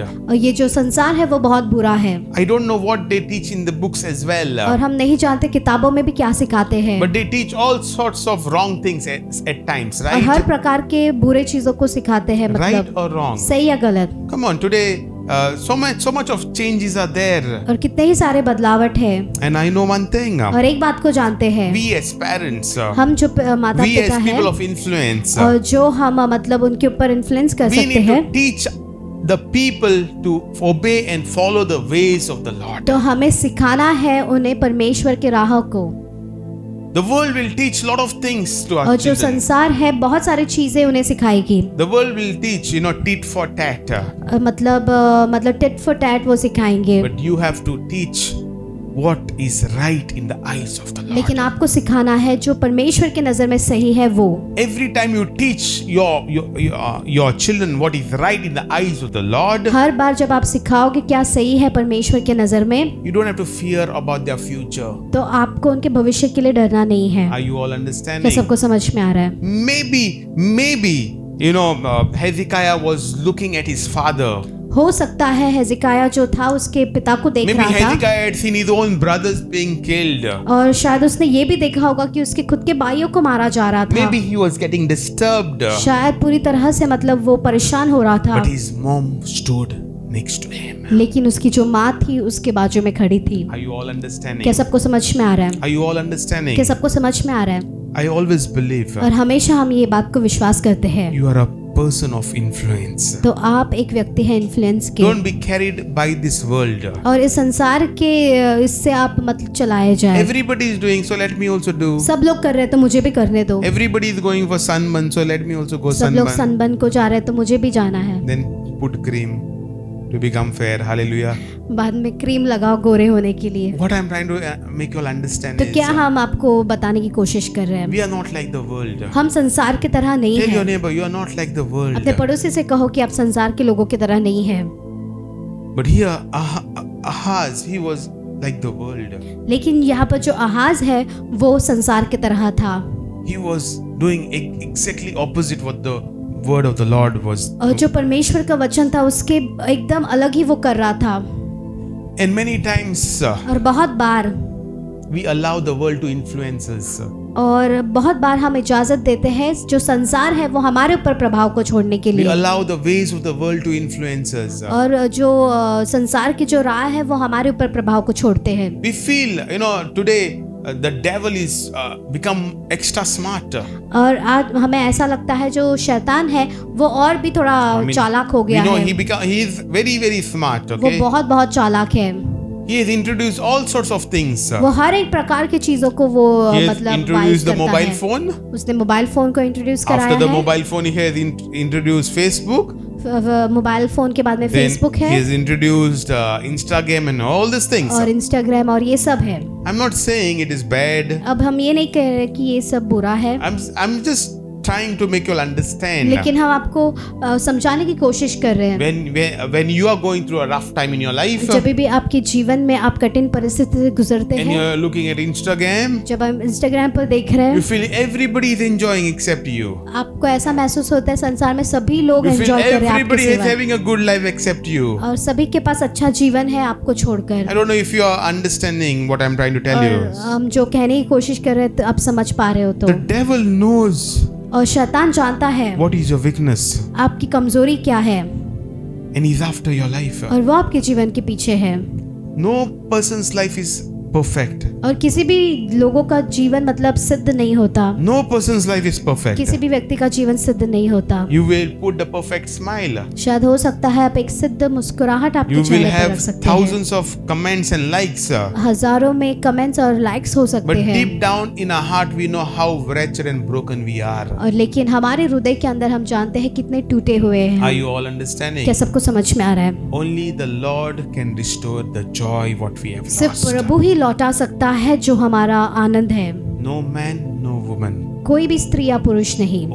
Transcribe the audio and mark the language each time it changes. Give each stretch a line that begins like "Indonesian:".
Hindi: और ये जो संसार है वो बहुत बुरा है.
English: I don't know what they teach in the books as well.
Hindi: और हम नहीं जानते किताबों में भी क्या सिखाते हैं.
English: But they teach all sorts of wrong things at times, right?
Hindi: हर प्रकार के बुरे चीजों को सिखाते हैं, मतलब
English: right or wrong,
Hindi: सही या गलत.
English: Come on, today so much of changes are there.
Hindi: और कितने ही सारे बदलावट हैं.
English: And I know one thing.
Hindi: और एक बात को जानते हैं.
English: We as parents.
Hindi: हम जो माता पिता हैं.
English: We as people of influence.
Hindi: और जो हम मतलब उनके ऊपर influence कर सकते हैं.
English: We need to teach the people to obey and follow the ways of the Lord.
Hindi: तो हमें सिखाना है उन्हें परमेश्वर के राहों को.
English: The world will teach lot of things to our children.
Hindi: और जो संसार है बहुत सारी चीजें उन्हें सिखाएगी.
English: The world will teach, you know, tit for tat.
Hindi: मतलब
English: tit for tat
Hindi: वो सिखाएंगे.
English: But you have to teach what is right in the eyes of the Lord.
Hindi: लेकिन आपको सिखाना है जो परमेश्वर के नजर में सही है वो.
English: Every time you teach your children what is right in the eyes of the Lord.
Hindi: हर बार जब आप सिखाओगे क्या सही है परमेश्वर के नजर में.
English: You don't have to fear about their future.
Hindi: तो आपको उनके भविष्य के लिए डरना नहीं है.
English: Are you all understanding?
Hindi: सबको समझ में आ रहा है.
English: Maybe you know Hezekiah was looking at his father.
Hindi: हो सकता है हेजिकाया जो था उसके पिता को देख रहा था.
English: Had seen his own brothers being killed.
Hindi: और शायद उसने ये भी देखा होगा कि उसके खुद के भाइयों को मारा जा रहा था.
English: Maybe he was getting disturbed.
Hindi: शायद पूरी तरह से मतलब वो परेशान हो रहा था.
English: But his mom stood next to him.
Hindi: लेकिन उसकी जो माँ थी उसके बाजू में खड़ी थी.
English: Are you all understanding?
Hindi: क्या सबको समझ में आ रहा है?
English: Are you all understanding?
Hindi: क्या सबको समझ में आ रहा है?
English: I always believe.
Hindi: और हमेशा हम ये बात को विश्वास करते हैं.
English: You are a person of influence.
Hindi: तो आप एक व्यक्ति हैं इन्फ्लुएंस के.
English: Don't be carried by this world.
Hindi: और इस संसार के इससे आप मतलब चलाए जाएं.
English: Everybody is doing, so let me also do.
Hindi: सब लोग कर रहे हैं तो मुझे भी करने दो.
English: Everybody is going for sunburn, so let me also go sunburn.
Hindi: सब लोग सनबर्न को जा रहे हैं तो मुझे भी जाना है.
English: Then put cream to become fair. Hallelujah.
Hindi: बाद में क्रीम लगाओ गोरे होने के लिए.
English: What I'm trying to make you all understand
Hindi: तो
English: is,
Hindi: क्या हम आपको बताने की कोशिश कर रहे हैं?
English: We are not like the world.
Hindi: हम संसार की तरह नहीं हैं.
English: Tell your neighbor, you are not like the world.
Hindi: अपने पड़ोसी से कहो कि आप संसार के लोगों की तरह नहीं हैं.
English: But here, Ahaz, he was like the world.
Hindi: लेकिन यहाँ पर जो अहाज है वो संसार की तरह था.
English: He was doing exactly opposite what the word of the Lord was.
Hindi: जो परमेश्वर का वचन था उसके एकदम अलग ही वो कर रहा था.
English: And many times,
Hindi: और बहुत बार,
English: we allow the world to influence us.
Hindi: और बहुत बार हम इजाजत देते हैं जो संसार है वो हमारे ऊपर प्रभाव को छोड़ने के लिए.
English: We allow the ways of the world to influence us.
Hindi: और जो संसार की जो राह है वो हमारे ऊपर प्रभाव को छोड़ते हैं.
English: We feel, you know, today the devil is become extra smart.
Hindi: और आज हमें ऐसा लगता है जो शैतान है वो और भी थोड़ा चालाक हो गया है.
English: You know, he is very very smart. Okay.
Hindi: वो बहुत बहुत चालाक है.
English: He has introduced all sorts of things.
Hindi: वो हर एक प्रकार की चीजों को वो मतलब
English: introduced the mobile phone.
Hindi: उसने मोबाइल फोन को इंट्रोड्यूस कराया है.
English: After the mobile phone, he has introduced Facebook.
Hindi: Mobile phone के बाद में फेसबुक है.
English: He has introduced Instagram and all these things.
Hindi: और इंस्टाग्राम और ये सब है.
English: I'm not saying it is bad.
Hindi: अब हम ये नहीं कह रहे कि ये सब बुरा है.
English: I'm just trying to make you understand.
Hindi: लेकिन हम आपको समझाने की कोशिश कर रहे हैं.
English: When you are going through a rough time in your life.
Hindi: जब भी आपके जीवन में आप कठिन परिस्थिति से गुजरते हैं.
English: And you are looking at Instagram.
Hindi: जब हम Instagram पर देख रहे हैं.
English: You feel everybody is enjoying except you.
Hindi: आपको ऐसा महसूस होता है संसार में सभी लोग enjoy कर रहे हैं.
English: Everybody is having a good life except you.
Hindi: और सभी के पास अच्छा जीवन है आपको छोड़कर.
English: I don't know if you are understanding what I'm trying to tell you.
Hindi: हम जो कहने की कोशिश कर रहे हैं आप समझ पा रहे हो तो.
English: The devil knows.
Hindi: और शैतान जानता है.
English: What is your weakness?
Hindi: आपकी कमजोरी क्या है?
English: And he's after your life.
Hindi: और वो आपके जीवन के पीछे है.
English: No person's life is perfect.
Hindi: और किसी भी लोगों का जीवन मतलब सिद्ध नहीं होता.
English: No person's life is perfect.
Hindi: किसी भी व्यक्ति का जीवन सिद्ध नहीं होता.
English: You will put the perfect smile.
Hindi: शायद हो सकता है आप एक सिद्ध मुस्कुराहट आपके
English: you
Hindi: चेहरे
English: will
Hindi: पर
English: have
Hindi: रख सकते
English: thousands of comments and likes.
Hindi: हजारों में कमेंट्स और लाइक्स हो सकते
English: But
Hindi: हैं.
English: Deep down in our heart we know how wretched and broken we are.
Hindi: और लेकिन हमारे हृदय के अंदर हम जानते हैं कितने टूटे हुए हैं.
English: Are you all understanding?
Hindi: क्या सबको समझ में आ रहा है?
English: Only the Lord can restore the joy what we have lost.
Hindi: सिर्फ प्रभु ही लौटा सकता है जो हमारा आनंद है.
English: No man, no woman.
Hindi: कोई भी स्त्री या पुरुष नहीं.